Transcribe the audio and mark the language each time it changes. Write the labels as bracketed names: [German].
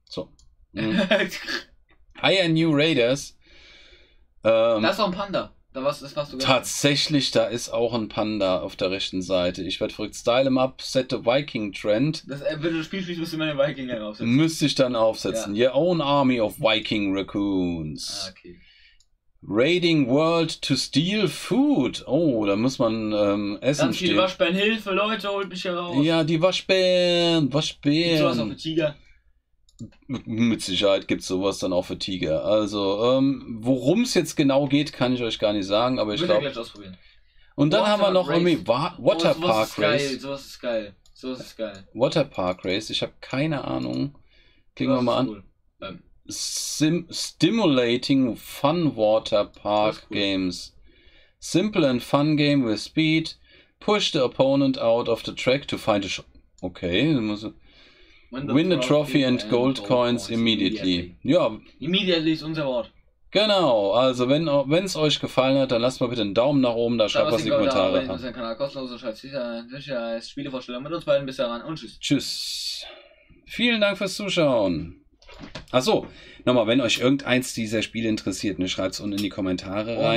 [English] So. Hire New Raiders. [German] Da ist auch ein Panda. Da warst du tatsächlich, da ist auch ein Panda auf der rechten Seite. Ich werde verrückt. [English] Style em up, set the Viking Trend. [German] Wenn du das Spiel spielst, müsste man den Viking dann aufsetzen. Müsste ich dann aufsetzen. [English] Ja. Your own army of Viking Raccoons. Okay. Raiding World to steal food. [German] Oh, da muss man essen. Dann die Waschbären, Hilfe, Leute, holt mich hier raus. Ja, die Waschbären. Gibt's sowas auf den Tiger? Mit Sicherheit gibt es sowas dann auch für Tiger. Also, worum es jetzt genau geht, kann ich euch gar nicht sagen, aber ich glaube. Gleich ausprobieren. Und dann haben wir noch irgendwie Waterpark Race. Sowas ist geil. Waterpark Race, ich habe keine Ahnung. Klicken wir mal an. [English] Stimulating Fun Waterpark Games. Simple and fun game with speed. Push the opponent out of the track to find a shot. [German] Okay, dann muss. [English] Win the trophy and gold coins immediately. [German] Ja. Immediately ist unser Wort. Genau, also wenn es euch gefallen hat, dann lasst mal bitte einen Daumen nach oben da, schreibt was in die Kommentare. Das ist ein Kanal kostenlos, schreibt sicher als Spielevorstellung mit uns beiden. Bis dahin und tschüss. Tschüss. Vielen Dank fürs Zuschauen. Achso, nochmal, wenn euch irgendeins dieser Spiele interessiert, ne, schreibt es unten in die Kommentare rein.